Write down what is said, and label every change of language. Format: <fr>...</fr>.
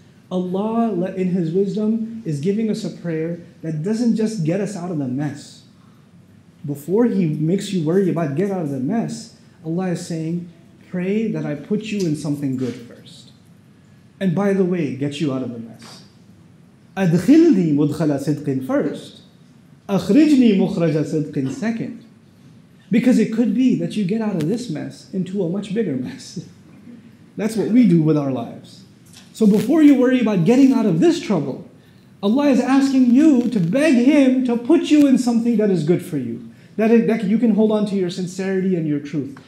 <en>Allah, in His wisdom, is giving us a prayer that doesn't just get us out of the mess. Before He makes you worry about get out of the mess, Allah is saying, pray that I put you in something good first. And by the way, get you out of the mess.</en> <ar>أَدْخِلْنِي مُدْخَلَ صِدْقٍ</ar> <en>first.</en> <ar>أَخْرِجْنِي مُخْرَجَ صِدْقٍ</ar> <en>second. Because it could be that you get out of this mess into a much bigger mess. That's what we do with our lives. So before you worry about getting out of this trouble, Allah is asking you to beg Him to put you in something that is good for you, that you can hold on to your sincerity and your truth.</en>